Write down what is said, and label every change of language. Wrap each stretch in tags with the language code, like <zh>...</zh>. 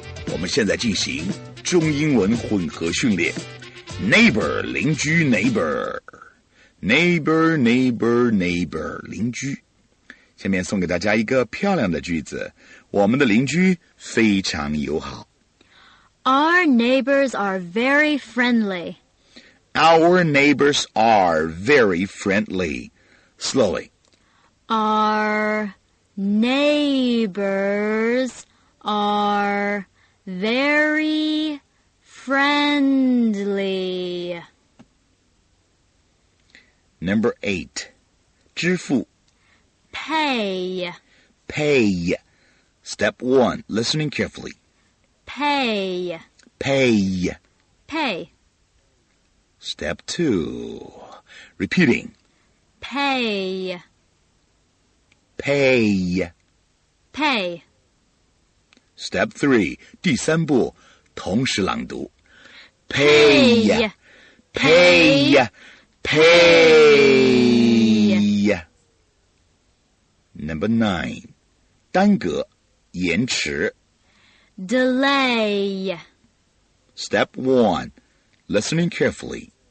<zh>我们现在进行中英文混合训练 Neighbor, 邻居</zh> <en>Neighbor Neighbor, neighbor, neighbor</en> <zh>邻居下面送给大家一个漂亮的句子我们的邻居非常友好</zh> <en>Our neighbors are very friendly Our neighbors are very friendly Slowly Our neighbors areVery friendly. Number 8.</en> <zh>支付</zh> <en>Pay. Pay. Step 1. Listening carefully. Pay. Pay. Pay. Step 2. Repeating. Pay. Pay. Pay. Step 3,</en> <zh>第三步，同时朗读。</zh> <en>Pay. Pay. Pay. Pay. Number 9,</en> <zh>耽搁，延迟。</zh> <en>Delay. Step 1, listening carefully.</en>